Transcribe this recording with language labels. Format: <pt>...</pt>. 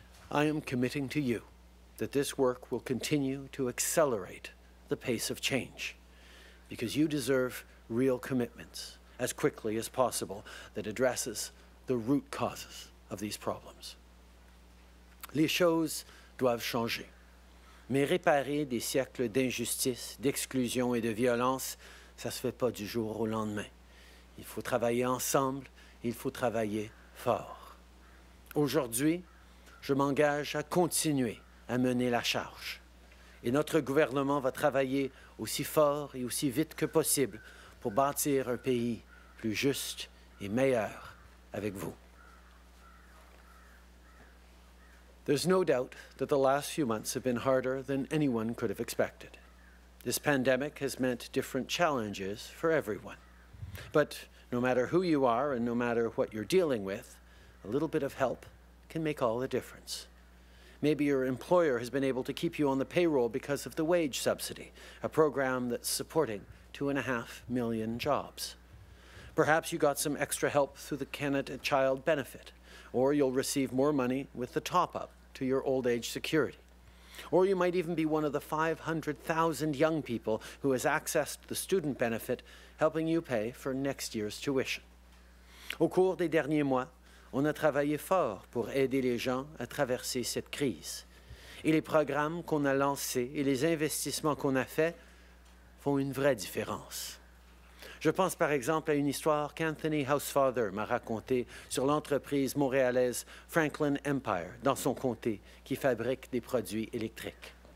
<en>I am committing to you that this work will continue to accelerate the pace of change, because you deserve real commitments as quickly as possible that addresses the root causes of these problems.</en> <fr>Les choses doivent changer. Mais réparer des siècles d'injustice, d'exclusion et de violence, ça se fait pas du jour au lendemain. Il faut travailler ensemble, il faut travailler fort. Aujourd'hui, je m'engage à continuer à mener la charge. Et notre gouvernement va travailler aussi fort et aussi vite que possible pour bâtir un pays plus juste et meilleur avec vous.</fr> <en>There's no doubt that the last few months have been harder than anyone could have expected. This pandemic has meant different challenges for everyone. But no No matter who you are and no matter what you're dealing with, a little bit of help can make all the difference. Maybe your employer has been able to keep you on the payroll because of the wage subsidy, a program that's supporting 2.5 million jobs. Perhaps you got some extra help through the Canada Child Benefit, or you'll receive more money with the top-up to your old age security. Or you might even be one of the 500,000 young people who has accessed the student benefit, helping you pay for next year's tuition.</en> <fr>Au cours des derniers mois, on a travaillé fort pour aider les gens à traverser cette crise. Et les programmes qu'on a lancés et les investissements qu'on a faits font une vraie différence. Je pense par exemple à une histoire qu'Anthony Housefather m'a racontée sur l'entreprise montréalaise Franklin Empire dans son comté qui fabrique des produits électriques.</fr>